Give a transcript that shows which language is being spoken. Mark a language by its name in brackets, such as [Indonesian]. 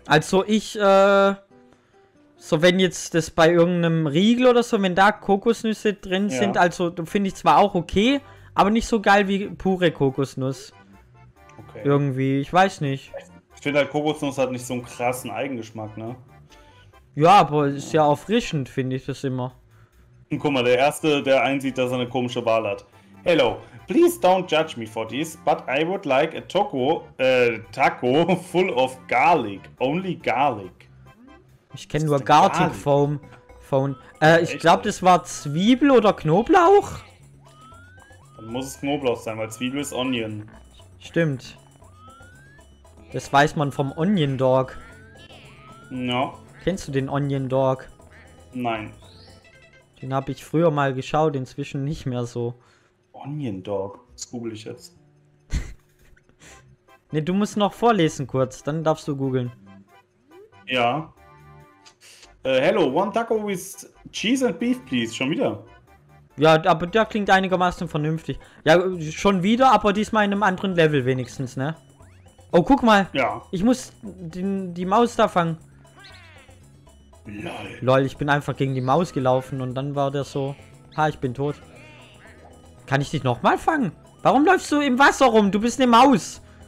[German] Also ich, wenn jetzt das bei irgendeinem Riegel oder so, wenn da Kokosnüsse drin sind, also finde ich zwar auch okay, Aber nicht so geil wie pure Kokosnuss. Okay. Irgendwie, ich weiß nicht. Ich finde halt, Kokosnuss hat nicht so einen krassen Eigengeschmack, ne? Ja, aber ist ja erfrischend, finde ich das immer. Guck mal, der Erste, der einsieht, dass er eine komische Wahl hat. [English] Hello, please don't judge me for this, but I would like a taco full of garlic. Only garlic. [German] Ich kenne nur Garlic Foam. Ich glaube, das war Zwiebel oder Knoblauch? Dann muss es Knoblauch sein, weil Zwiebel ist Onion. Stimmt. Das weiß man vom Onion Dog. No. Kennst du den Onion Dog? Nein. Den habe ich früher mal geschaut, inzwischen nicht mehr so. Onion Dog? Das google ich jetzt. Ne, du musst noch vorlesen kurz, dann darfst du googeln. Ja. [English] Hello, one taco with cheese and beef, please. [German] Schon wieder. Ja, aber der klingt einigermaßen vernünftig. Ja, schon wieder, aber diesmal in einem anderen Level wenigstens, ne? Oh, guck mal. Ja. Ich muss die Maus da fangen. Lol. Ich bin einfach gegen die Maus gelaufen und dann war der so... Ha, ich bin tot. Kann ich dich nochmal fangen? Warum läufst du im Wasser rum? Du bist eine Maus.